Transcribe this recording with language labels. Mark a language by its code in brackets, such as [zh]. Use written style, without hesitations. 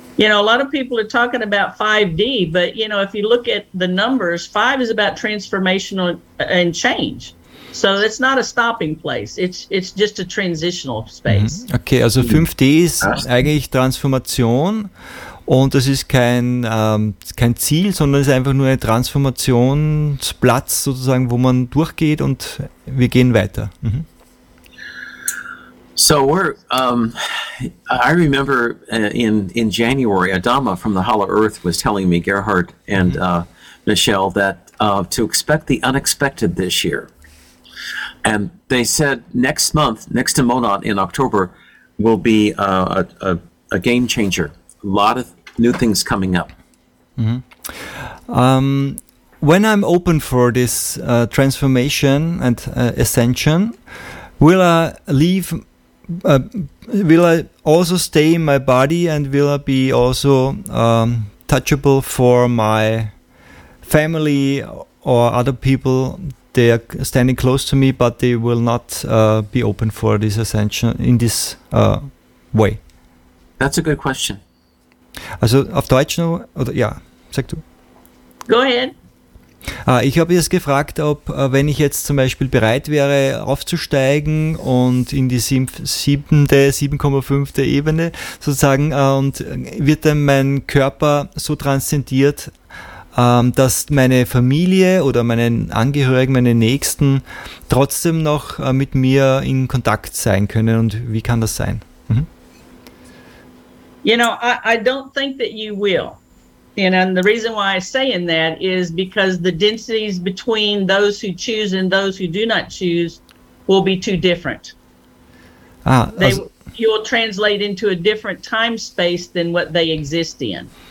[en] You know, a lot of people are talking about 5D, but, you know, if you look at the numbers, 5 is about transformational and change. So it's not a stopping place. It's just a transitional space. Mm-hmm. [de] Okay, also 5D ist eigentlich Transformation und das ist kein Ziel, sondern es ist einfach nur ein Transformationsplatz sozusagen, wo man durchgeht und wir gehen weiter. Mhm. [en] So I remember in January, Adama from the Hollow Earth was telling me, Gerhard and Michelle, that to expect the unexpected this year. And they said next month, next to Monat in October, will be a game changer. A lot of new things coming up. Mm-hmm. When I'm open for this transformation and ascension, will I also stay in my body, and will I be also touchable for my family or other people? They are standing close to me, but they will not be open for this ascension in this way. That's a good question. [de] Also auf Deutsch noch, oder ja, sag du. [en] Go ahead. [de] Ich habe jetzt gefragt, ob, wenn ich jetzt zum Beispiel bereit wäre, aufzusteigen und in die 7,5. Ebene sozusagen, und wird dann mein Körper so transzendiert, dass meine Familie oder meine Angehörigen, meine Nächsten trotzdem noch mit mir in Kontakt sein können, und wie kann das sein? Mhm. [en] You know, I don't think that you will. And the reason why I'm saying that is because the densities between those who choose and those who do not choose will be too different. You will translate into a different time space than what they exist in.